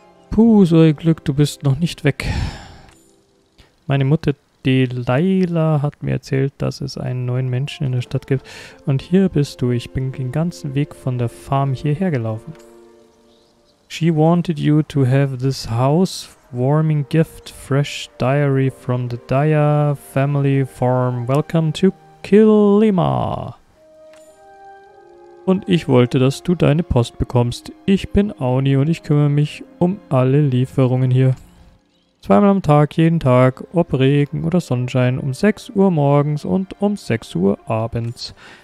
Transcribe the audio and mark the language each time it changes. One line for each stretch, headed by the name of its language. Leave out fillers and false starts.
German: Puh, so ein Glück, du bist noch nicht weg. Meine Mutter Delilah hat mir erzählt, dass es einen neuen Menschen in der Stadt gibt. Und hier bist du. Ich bin den ganzen Weg von der Farm hierher gelaufen.
English: She wanted you to have this house warming gift, fresh diary from the Daya family farm. Welcome to Kilima.
German: Und ich wollte, dass du deine Post bekommst. Ich bin Auni und ich kümmere mich um alle Lieferungen hier. Zweimal am Tag, jeden Tag, ob Regen oder Sonnenschein, um 6 Uhr morgens und um 6 Uhr abends.